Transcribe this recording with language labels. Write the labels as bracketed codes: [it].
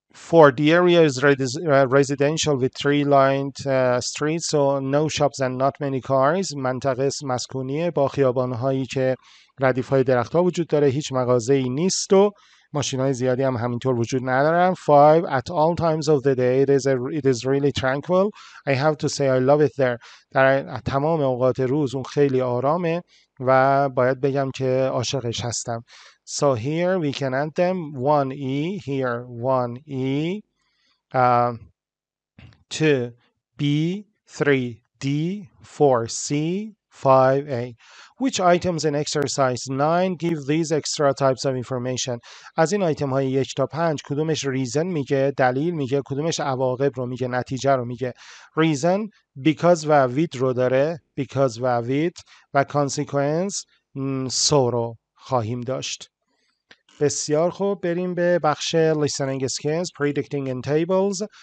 [en] 4. The area is residential with three lined streets, so no shops and not many cars. [fa] منطقه مسکونیه با خیابانهایی که ردیفهای درختها وجود داره، هیچ مغازه‌ای نیست و ماشین‌های زیادی هم همینطور وجود ندارن. 5. [en] At all times of the day it is really tranquil. I have to say I love it there. [fa] در تمام اوقات روز اون خیلی آرامه و باید بگم که عاشقش هستم. [en] So here we can add them. 1E here. 1E 2B 3D 4C 5A. Which items in exercise 9 give these extra types of information? [fa] از این آیتم های 1 تا 5 کدومش reason میگه، دلیل میگه، کدومش عواقب رو میگه، نتیجه رو میگه؟ reason because و with رو داره، because و with، و consequence sorrow خواهیم داشت. بسیار خوب، بریم به بخش [en] listening skills predicting and tables.